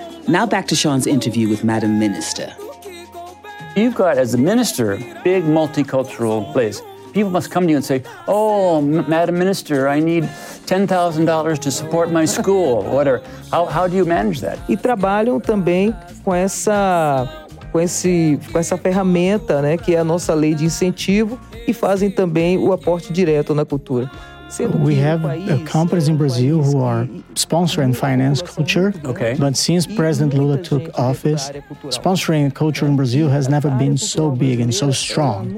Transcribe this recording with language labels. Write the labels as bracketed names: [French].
[English] Now back to Sean's interview with Madam Minister. You've got, as a minister, big multicultural place. People must come to you and say, oh, Madam Minister, I need $10,000 to support my school, whatever. How do you manage that? [Portuguese] E trabalham também com essa ferramenta, né, que é a nossa lei de incentivo, e fazem também o aporte direto na cultura. [English] We have companies in Brazil who are sponsoring and finance culture, okay. But since President Lula took office, sponsoring culture in Brazil has never been so big and so strong.